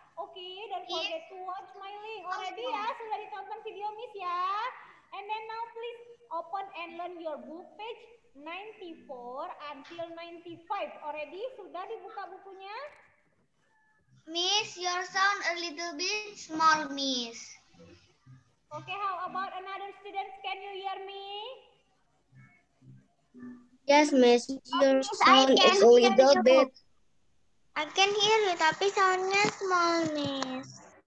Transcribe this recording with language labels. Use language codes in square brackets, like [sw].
[en] Oke, okay, don't forget to watch my link already, ya. [id] Sudah ditonton video Miss, ya. [en] And then now please open and learn your book page 94 until 95. [id] Already sudah dibuka bukunya? [en] Miss, your sound a little bit small, Miss. Okay, how about another student? Can you hear me? Yes, Miss. Your sound is a little bit. I can hear you, [id] tapi soundnya [en] small, Miss.